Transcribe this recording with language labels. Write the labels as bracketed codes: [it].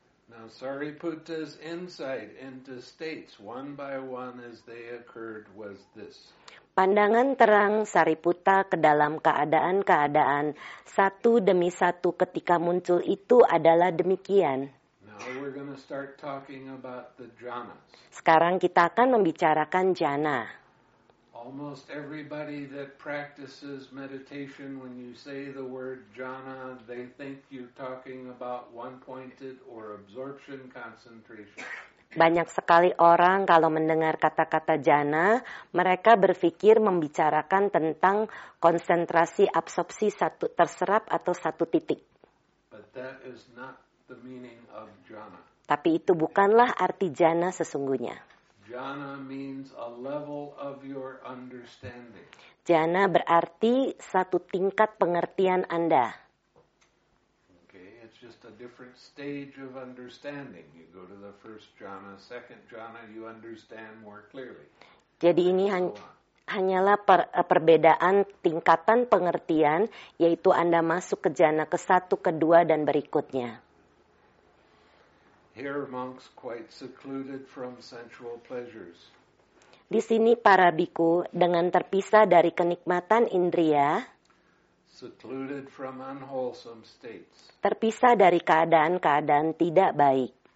[en] Now, Sariputta's insight into states one by one as they occurred was this. [id] Pandangan terang Sariputta ke dalam keadaan-keadaan satu demi satu ketika muncul itu adalah demikian. [en] Now we're going to start talking about the jhanas. [id] Sekarang kita akan membicarakan jhana. [en] Almost everybody that practices meditation, when you say the word jhana, they think you're talking about one-pointed or absorption concentration. [id] Banyak sekali orang kalau mendengar kata-kata jhana, mereka berpikir membicarakan tentang konsentrasi absorpsi satu terserap atau satu titik. [en] But that is not the meaning of jhana. [id] Tapi itu bukanlah arti jhana sesungguhnya. [en] Jhana means a level of your understanding. [id] Jhana berarti satu tingkat pengertian Anda. [en] Okay, it's just a different stage of understanding. You go to the first jhana, second jhana, you understand more clearly. [id] Jadi ini hanyalah perbedaan tingkatan pengertian, yaitu Anda masuk ke jhana ke satu, kedua, dan berikutnya. [en] Here monks quite secluded from sensual pleasures. [id] Di sini para bhikkhu dengan terpisah dari kenikmatan indria. [en] Secluded from unwholesome states. [id] Terpisah dari keadaan-keadaan tidak baik.